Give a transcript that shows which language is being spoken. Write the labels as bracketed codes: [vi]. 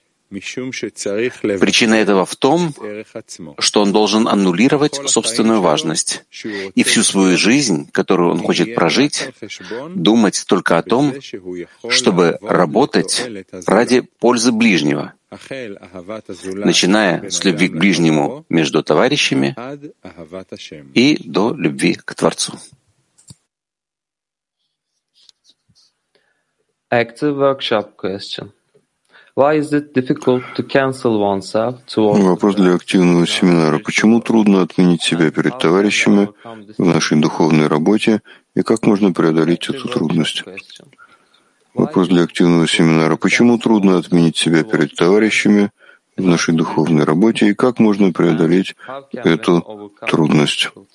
[ru] Причина этого в том, что он должен аннулировать собственную важность и всю свою жизнь, которую он хочет прожить, думать только о том, чтобы работать ради пользы ближнего, начиная с любви к ближнему между товарищами и до любви к Творцу. [en] Active workshop question. Why is it difficult to cancel oneself towards... [ru] Вопрос для активного семинара. Почему трудно отменить себя перед товарищами в нашей духовной работе, и как можно преодолеть эту трудность? Вопрос для активного семинара. Почему трудно отменить себя перед товарищами в нашей духовной работе, и как можно преодолеть эту трудность?